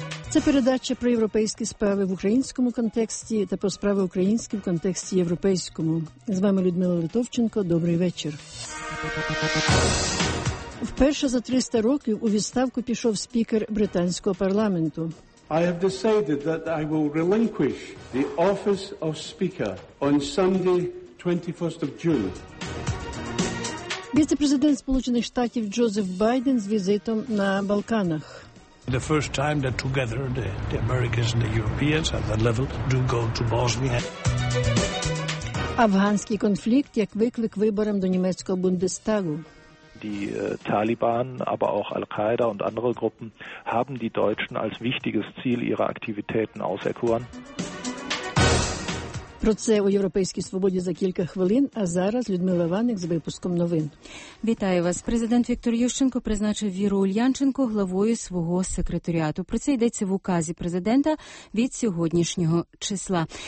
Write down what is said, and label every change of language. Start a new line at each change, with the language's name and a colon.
Ukrainian: Це передача про європейські справи в українському контексті та про справи в українському контексті європейському. З вами Людмила Литовченко. Добрий вечір. Вперше за 300 років у відставку пішов спікер британського парламенту.
English: I have decided that I will relinquish the office of speaker on Sunday, 21st of June.
Ukrainian: Віце-президент Сполучених Штатів Джозеф Байден з візитом на Балканах.
English: The first time that together the Americans and the Europeans at that level do go to Bosnia.
Ukrainian: Афганський конфлікт як виклик виборам до німецького Бундестагу.
German: Die Taliban, aber auch Al-Qaida und andere Gruppen haben die Deutschen als wichtiges Ziel ihrer Aktivitäten auserkoren.
Ukrainian: Про це у Європейській Свободі за кілька хвилин, а зараз Людмила Ваник з випуском новин. Вітаю вас. Президент Віктор Ющенко призначив Віру Ульянченко главою свого секретаріату. Про це йдеться в указі президента від сьогоднішнього числа.